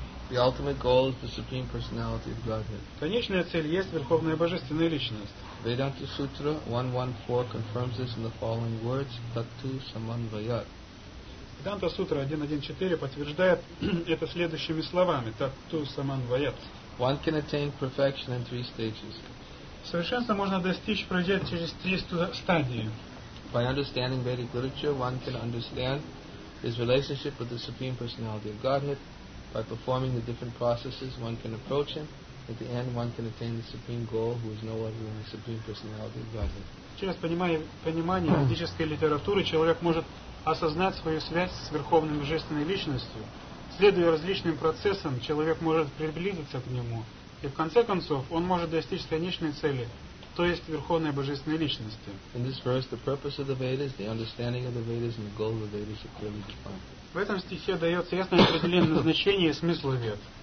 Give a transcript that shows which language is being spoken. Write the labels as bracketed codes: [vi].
[en] The ultimate goal is the Supreme Personality of Godhead. [ru] Конечная цель есть Верховная Божественная Личность. [en] Vedanta Sutra 1.1.4 confirms this in the following words: Tattu Samanvayat. [ru] Веданта Сутра 1.1.4 подтверждает это следующими словами: Tattu Samanvayat. [en] One can attain perfection in three stages. [ru] Совершенство можно достичь, пройдя через три стадии. [en] By understanding Vedic literature, one can understand his relationship with the Supreme Personality of Godhead. By performing the different processes, one can approach Him. At the end, one can attain the supreme goal, who is no other than the Supreme Personality of Godhead. [ru] Через понимание ведической литературы человек может осознать свою связь с Верховной Божественной Личностью. Следуя различным процессам, человек может приблизиться к Нему. И в конце концов, он может достичь конечной цели, то есть Верховной Божественной Личности. [en] In this verse, the purpose of the Vedas, the understanding of the Vedas, and the goal of the Vedas are clearly defined. [ru] В этом стихе дается ясное определение назначения и смысла Вед.